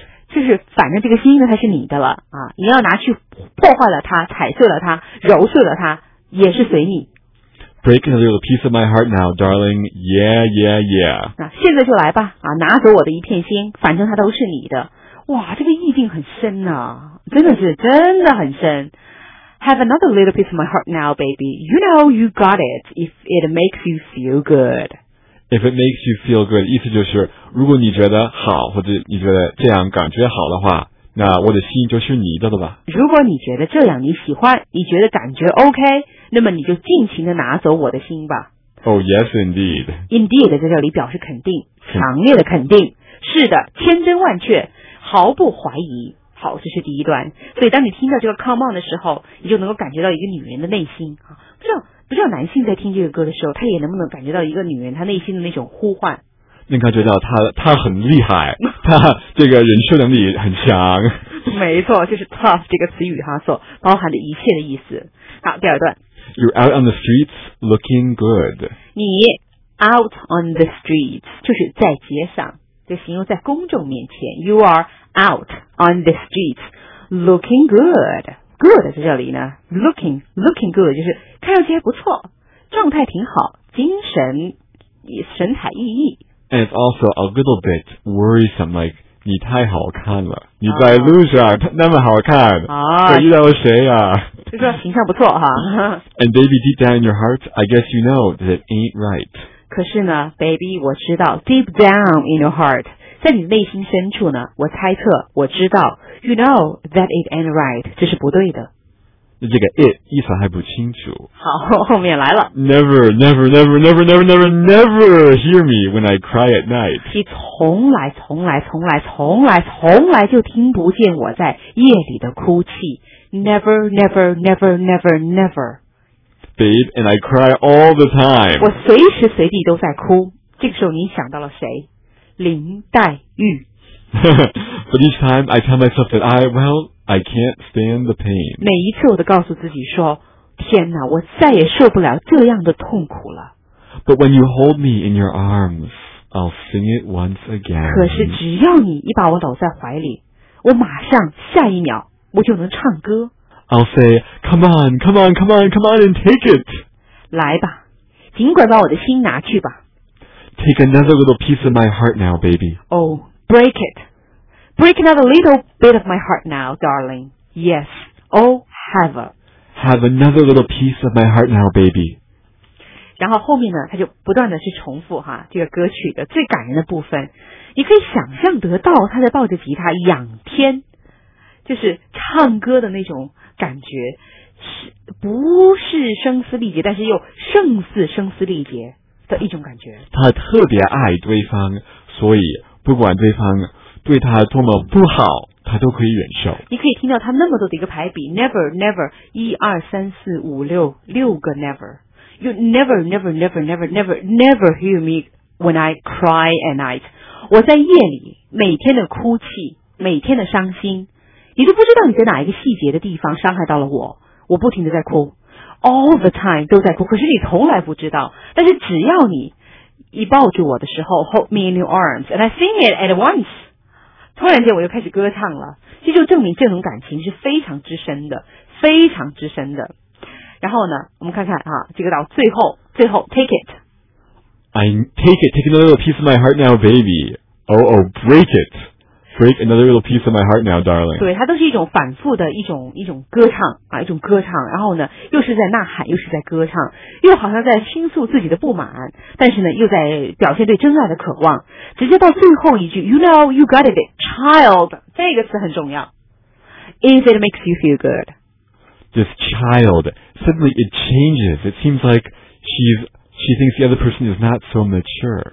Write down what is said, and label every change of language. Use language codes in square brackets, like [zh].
[zh] 就是反正这个心呢它是你的了啊，你要拿去破坏了它，踩碎了它，揉碎了它。也是随你 [en] Break a little piece of my heart now, darling. Yeah, yeah, yeah. [zh] 现在就来吧啊，拿走我的一片心，反正它都是你的。哇，这个意境很深啊，真的很深。 [en] Have another little piece of my heart now, baby. You know you got it if it makes you feel good. If it makes you feel good, [zh] 意思就是如果你觉得好，或者你觉得这样感觉好的话。那我的心就是你的了吧如果你觉得这样你喜欢你觉得感觉 OK 那么你就尽情的拿走我的心吧 [en] Oh yes indeed [zh] Indeed 在这里表示肯定强烈的肯定是的千真万确毫不怀疑好这是第一段所以当你听到这个 [en] come on [zh] 的时候你就能够感觉到一个女人的内心不知道男性在听这个歌的时候他也能不能感觉到一个女人她内心的那种呼唤你看，就叫他很厉害，他这个忍受能力很强。没错，就是 tough 这个词语哈，所包含的一切的意思。好，第二段。 [en] You're out on the streets looking good. [zh] 你 [en] out on the streets [zh] 就是在街上，就形容在公众面前。 [en] You are out on the streets looking good. [zh] Good 在这里呢 ， [en] looking good [zh] 就是看上去还不错，状态挺好，精神神采奕奕。 [en] And it's also a little bit worrisome, like [zh] 你太好看了，你在路上那么好看，我遇到了谁呀、啊？就说形象不错哈。 [en] And baby, deep down in your heart, I guess you know that it ain't right. [zh] 可是呢 ，baby， 我知道 ， [en] deep down in your heart， [zh] 在你内心深处呢，我猜测，我知道 ， [en] you know that it ain't right， [zh] 这是不对的。那这个 it 意思还不清楚。好，后面来了。 [en] Never, never, never, never, never, never, never hear me when I cry at night. [zh] 你从来，从来，从来，从来，从来就听不见我在夜里的哭泣。 [en] Never, never, never, never, never. Babe, and I cry all the time. [zh] 我随时随地都在哭。这个时候你想到了谁？林黛玉。 [en] But each time I tell myself that I can't stand the pain. [zh] 每一次我都告诉自己说，天哪，我再也受不了这样的痛苦了。 [en] But when you hold me in your arms, I'll sing it once again. [zh] 可是只要你一把我搂在怀里，我马上下一秒我就能唱歌。 [en] I'll say, come on, come on, come on, come on and take it. [zh] 来吧，尽管把我的心拿去吧。 [en] Take another little piece of my heart now, baby. Oh, break it. Break another little bit of my heart now, darling. Yes. Oh, have a. Have another little piece of my heart now, baby. [zh] 然后后面呢，他就不断的去重复哈这个歌曲的最感人的部分。你可以想象得到他在抱着吉他仰天，就是唱歌的那种感觉，是不是声嘶力竭，但是又胜似声嘶力竭的一种感觉。他特别爱对方，所以不管对方对他多么不好，他都可以忍受。你可以听到他那么多的一个排比 ， [en] never never， [zh] 一二三四五六，六个 never。 [en] You never never never never never never hear me when I cry at night。 [zh] 我在夜里每天的哭泣，每天的伤心，你都不知道你在哪一个细节的地方伤害到了我。我不停的在哭 ， [en] all the time [zh] 都在哭，可是你从来不知道。但是只要你一抱住我的时候 [en] ，hold me in your arms and I sing it at once。 [zh] 突然间我又开始歌唱了，这就证明这种感情是非常之深的，非常之深的。然后呢，我们看看啊，这个到最后，最后 [en] take it， I take it， take another piece of my heart now baby， oh oh break it， break another little piece of my heart now darling。 [zh] 对，它都是一种反复的一种歌唱啊，一种歌唱，然后呢又是在呐喊，又是在歌唱，又好像在倾诉自己的不满，但是呢又在表现对真爱的渴望，直接到最后一句 [en] you know you got it child， [zh] 这个词很重要。 [en] If it makes you feel good. This child, suddenly it changes. It seems like she thinks the other person is not so mature.